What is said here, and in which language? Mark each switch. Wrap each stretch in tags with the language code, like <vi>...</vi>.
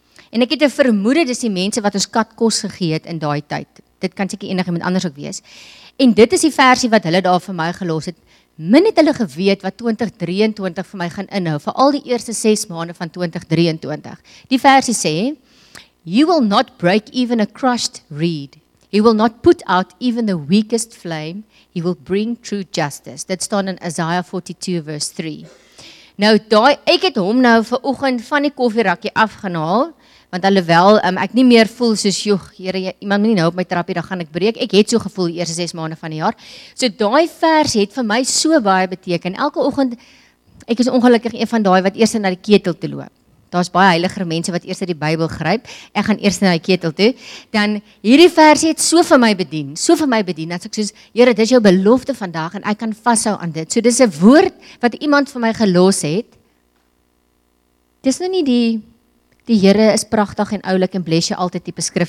<af>En ek het 'n vermoede dis die mense wat ons kat kos gegee het in daai tyd. Dit kan seker enigiemand anders ook wees. En dit is die versie wat hulle daar vir my gelos het. Min het hulle geweet wat 2023 vir my gaan inhou, veral die eerste 6 maande van 2023.</af> <en>Die versie sê: You will not break even a crushed reed. He will not put out even the weakest flame. He will bring true justice.</en> <af>Dit staan in Isaiah 42 vers 3. Nou daai ek het hom nou ver oggend van die koffierakkie afgehaal, want alhoewel ek nie meer voel soos joh, Here, iemand moenie nou op my trappie, dan gaan ek breek. Ek het so gevoel die eerste 6 maande van die jaar. So daai vers het vir my so baie beteken. Elke oggend ek is ongelukkig een van daai wat eers na die ketel te loop. Daar is baie heiliger mense wat eers uit die Bybel gryp. Ek gaan eers na die ketel toe. Dan hierdie versie het so vir my bedien. So vir my bedien. Dat ek soos, Here, dis jou belofte vandag en ek kan vashou aan dit. So dis 'n woord wat iemand vir my gelos het. Dis nou nie die Here is pragtig en oulik en bless jou altyd tipe skrif.</af>